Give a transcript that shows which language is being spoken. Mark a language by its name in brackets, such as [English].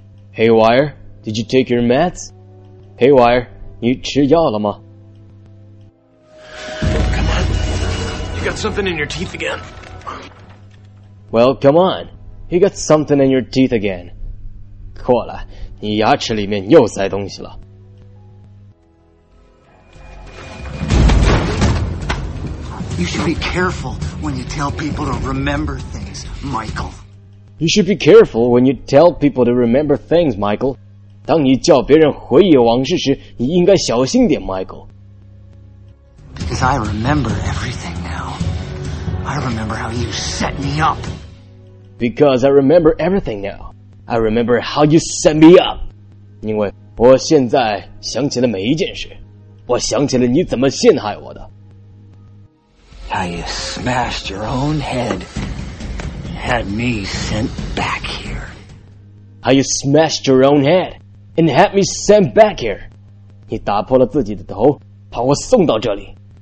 [English] Haywire, did you take your meds? Haywire, [Chinese] 你吃药了吗？ [English] Come on, you got something in your teeth again. Well, come on, you got something in your teeth again. [Chinese] 过来。你牙齿里面又塞东西了。 [English] You should be careful when you tell people to remember things, Michael. You should be careful when you tell people to remember things, Michael. [Chinese] 当你叫别人回忆往事时，你应该小心点 ，Michael. [English] Because I remember everything now. I remember how you set me up. Because I remember everything now. I remember how you set me up. [Chinese] 因为我现在想起了每一件事，我想起了你怎么陷害我的。 [English] How you smashed your own head and had me sent back here. How you smashed your own head and had me sent back here. [Chinese] 你打破了自己的头，把我送到这里。